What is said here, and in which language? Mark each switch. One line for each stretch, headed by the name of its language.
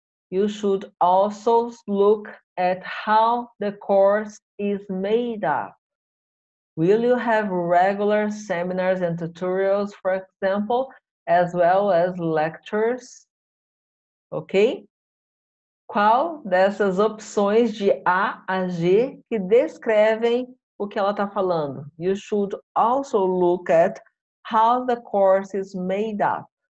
English: You should also look at how the course is made up. Will you have regular seminars and tutorials, for example, as well as lectures? Ok?
Portuguese: Qual dessas opções de A a G que descrevem o que ela está falando?
English: You should also look at how the course is made up.